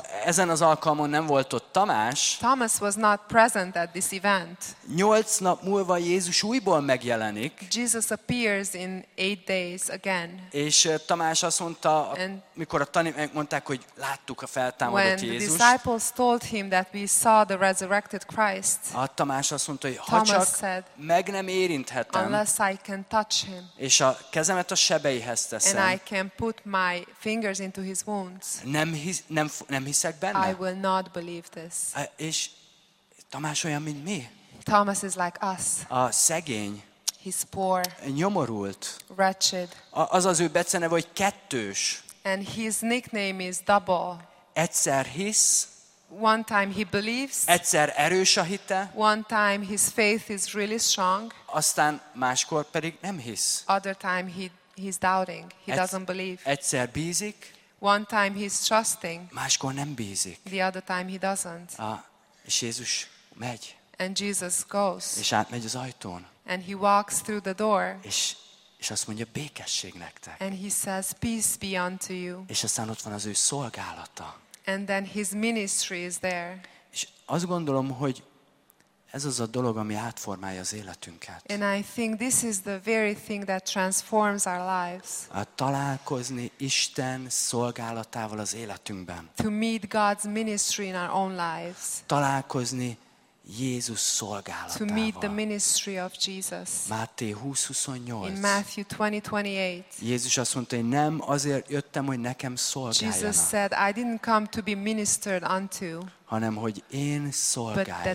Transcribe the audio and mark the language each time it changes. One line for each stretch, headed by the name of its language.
Hungarian: ezen az alkalmon nem volt ott Tamás.
English: Thomas was not present at this event.
Hungarian: 8 nap múlva Jézus újból megjelenik.
English: Jesus appears in 8 days again.
Hungarian: És Tamás azt mondta, mikor a tanítványok mondták, hogy láttuk a feltámadott Jézust.
English: When the disciples told him that we saw the resurrected Christ.
Hungarian: A Tamás azt mondta, hogy ha csak said, meg nem érinthetem.
English: Unless I can touch him.
Hungarian: És a kezemet a sebeihez teszem.
English: And I can put my fingers into his wounds.
Hungarian: Nem hiszek benne.
English: I will not believe this.
Hungarian: És Tamás olyan, mint mi.
English: Thomas is like us.
Hungarian: A szegény.
English: He's poor.
Hungarian: Nyomorult.
English: Wretched.
Hungarian: Az az ő beceneve, hogy kettős.
English: And his nickname is double.
Hungarian: Egyszer hisz.
English: One time he believes.
Hungarian: Egyszer erős a hite.
English: One time his faith is really strong.
Hungarian: Aztán máskor pedig nem hisz.
English: Other time he's doubting. He doesn't believe.
Hungarian: Egyszer bízik.
English: One time he's trusting.
Hungarian: Máskor nem bízik.
English: The other time he doesn't.
Hungarian: És Jézus megy.
English: And Jesus goes.
Hungarian: És átmegy az ajtón.
English: And he walks through the door.
Hungarian: És azt mondja, békesség nektek.
English: And he says, peace be unto you.
Hungarian: És aztán ott van az ő szolgálata.
English: And then his ministry is there.
Hungarian: És azt gondolom, hogy ez az a dolog, ami átformálja az életünket.
English: And I think this is the very thing that transforms our lives.
Hungarian: A találkozni Isten szolgálatával az életünkben.
English: To meet God's ministry in our own lives.
Hungarian: Találkozni Jézus szolgálatával.
English: To meet the ministry of Jesus.
Hungarian: Máté 20:28.
English: In Matthew 20:28.
Hungarian: Jézus azt mondta, én nem azért jöttem, hogy nekem szolgáljanak.
English: Jesus said, I didn't come to be ministered unto.
Hungarian: Hanem hogy én szolgáljam.